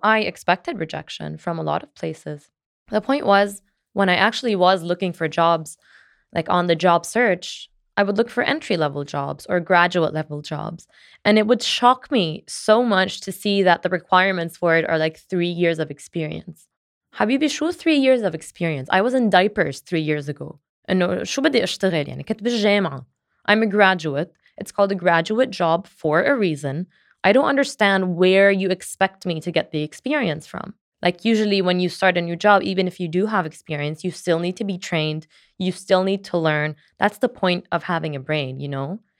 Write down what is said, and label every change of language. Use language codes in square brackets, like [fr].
[en] I expected rejection from a lot of places. The point was, when I actually was looking for jobs, like on the job search, I would look for entry-level jobs or graduate-level jobs. And it would shock me so much to see that the requirements for it are like 3 years of experience. Habibi, [ar] شو [en] 3 years of experience? I was in diapers 3 years ago. [ar] إنه شو بدي أشتغل يعني؟ كنت بالجامعة. [en] I'm a graduate. It's called a graduate job for a reason. I don't understand where you expect me to get the experience from. Like usually when you start a new job, even if you do have experience, you still need to be trained. You still need to learn. That's the point of having a brain, you know?